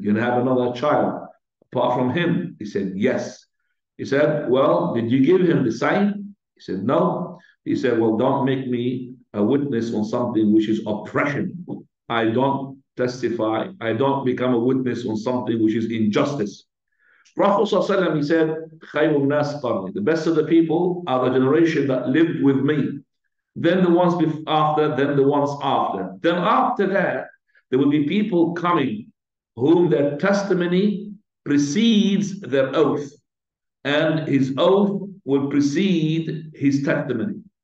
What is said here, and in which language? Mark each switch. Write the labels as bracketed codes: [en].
[en] You're going to have another child apart from him? He said, yes. He said, well, did you give him the same? He said, no. He said, well, don't make me a witness on something which is oppression. I don't testify. I don't become a witness on something which is injustice. Prophet ﷺ, he said, [ar] خَيْرُ النَّاسِ قَرْنِي. [en] The best of the people are the generation that lived with me. Then the ones after, then the ones after. Then after that, there will be people coming whom their testimony precedes their oath. And his oath will precede his testimony.